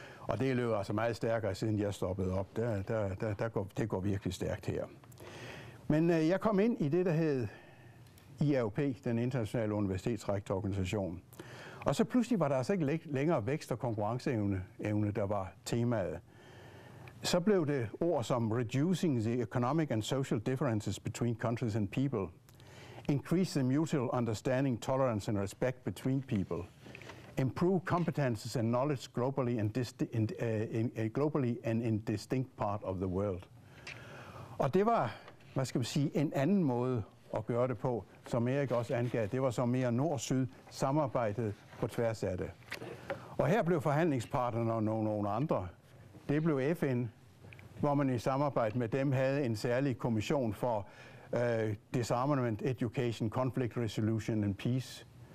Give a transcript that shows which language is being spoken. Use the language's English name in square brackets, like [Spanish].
[Danish] Og det løber altså meget stærkere, siden jeg stoppede op. Det går virkelig stærkt her. Men jeg kom ind i det, der hed IAUP, den internationale universitetsrektororganisation. Og så pludselig var der altså ikke længere vækst- og konkurrenceevne, der var temaet. Så blev det ord som [English] reducing the economic and social differences between countries and people, increase the mutual understanding, tolerance and respect between people, improve competences and knowledge globally and globally and in distinct part of the world. [Danish] Og det var, hvad skal man sige, en anden måde at gøre det på, som Erik også angav. Det var så mere nord-syd samarbejdet på tværs af det. Og her blev forhandlingspartnerne og nogle andre. Det blev FN, hvor man i samarbejde med dem havde en særlig kommission for [English] disarmament, education, conflict resolution and peace.